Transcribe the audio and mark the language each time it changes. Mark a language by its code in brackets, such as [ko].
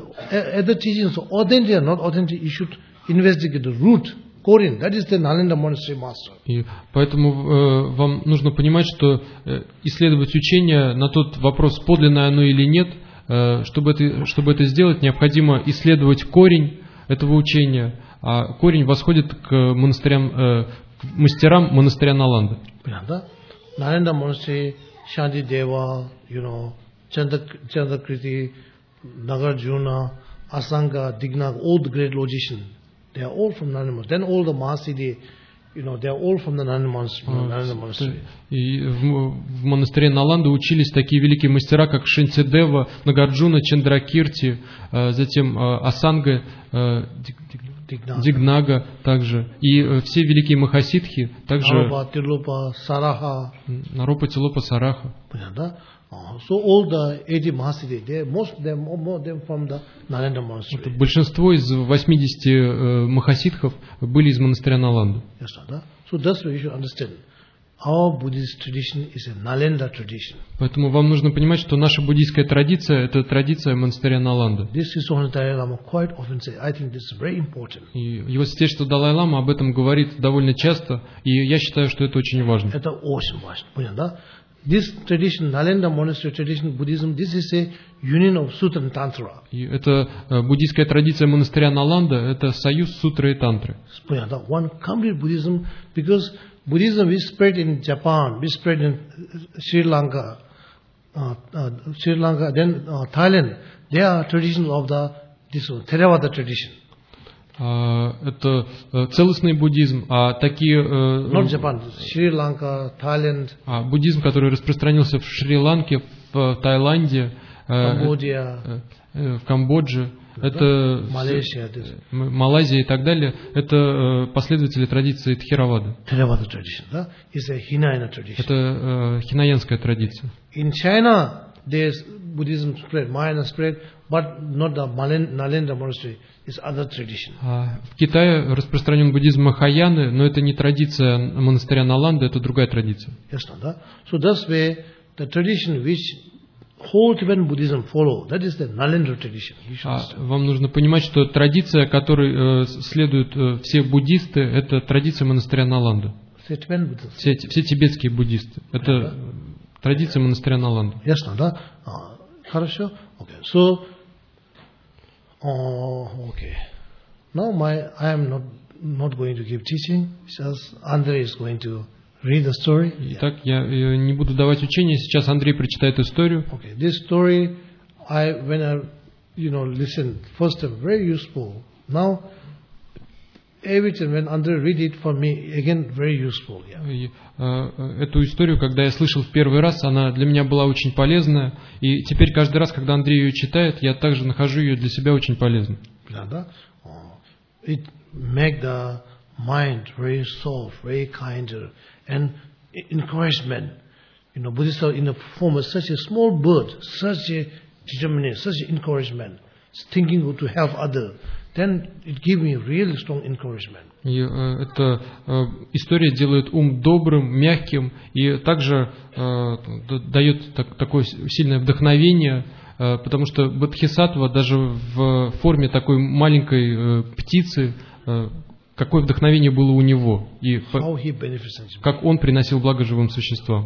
[en] Other teachings, authentic or not authentic, you should investigate the root. Корень, that is the Nalanda Monastery master. [ru] И поэтому вам нужно понимать, что исследовать учение на тот вопрос, подлинное оно или нет, чтобы это сделать, необходимо исследовать корень этого учения, а корень восходит к монастырям, к мастерам монастыря Наланда. [en] Да? Nalanda Monastery, Shanti Deva, you know, Chandrakirti, Nagarjuna, Asanga, Digna, all the great logicians. They are all from Nalanda Monastery. Then all the Mahasiddhi, you know, they are all from the Nalanda Monastery. [ru] И в монастыре Наланда учились такие великие мастера, как Шантидева, Нагарджуна, Чандракирти, затем Асанга, Дигнага также. И все великие Махасидхи также. Наропа, Тилопа, Сараха. Наропа, Тилопа, Сараха. Понятно, да? [en] So all the 80 Mahasiddhi, most of them, more of them from the Nalanda Monastery. [ru] Это большинство из 80 Махасидхов были из монастыря Наланда. [en] Yes, да? So that's what you should understand. Our Buddhist tradition is a Nalanda tradition. [ru] Поэтому вам нужно понимать, что наша буддийская традиция – это традиция монастыря Наланда. [en] This is what the Dalai Lama quite often says. I think this is very important. [ru] И его святейшество Далай Лама об этом говорит довольно часто, и я считаю, что это очень важно. Это очень важно, понятно, да? [en] This tradition, Nalanda Monastery tradition, Buddhism, this is a union of Sutra and Tantra. [ru] Это буддийская традиция монастыря Наланда, это союз Сутры и Тантры. [en] Понятно, one complete Buddhism, because Buddhism is spread in Japan, is spread in Sri Lanka, then Thailand, they are traditions of Theravada tradition. [ru] Это целостный буддизм, а такие... [en] Not Japan, Шри-Ланка, Таиланд. [ru] Буддизм, который распространился в Шри-Ланке, в Таиланде, в Камбодже, это Малайзия, Малайзия и так далее, это последователи традиции Тхеравады. Тхеравада традиция, да? [en] It's a Hinayana tradition. [ru] Это хинаянская традиция. [en] In China, there's Buddhism spread, Mahayana spread, but not the Nalanda Monastery. Is other tradition. [ru] В Китае распространен буддизм Махаяны, но это не традиция монастыря Наланда, это другая традиция. Ясно, да? [en] So that's where the tradition which whole Tibetan Buddhism follow, that is the Nalanda tradition. [ru] Вам нужно понимать, что традиция, которой следуют все буддисты, это традиция монастыря Наланда. Все тибетские буддисты. Это традиция монастыря Наланда. Ясно, да? Хорошо. Okay. So, okay. [en] Now I am not going to give teaching. Just Andrei is going to read the story. [ru] Итак, я не буду давать учение. Сейчас Андрей прочитает историю. [en] Okay. This story, listened first time, very useful. Now, every time when Andrei read it for me again, very useful. Yeah. [ru] Эту историю, когда я слышал в первый раз, она для меня была очень полезная. И теперь каждый раз, когда Андрей ее читает, я также нахожу ее для себя очень полезной. Да, да. [en] It make the mind very soft, very kinder, and encouragement. You know, Buddhist in the form of such a small bird, such a determination, such encouragement, thinking to help others. Then it gave me really strong encouragement. [ru] И эта история делает ум добрым, мягким, и также дает такое сильное вдохновение, потому что бодхисаттва даже в форме такой маленькой птицы, какое вдохновение было у него, и как он приносил благо живым существам.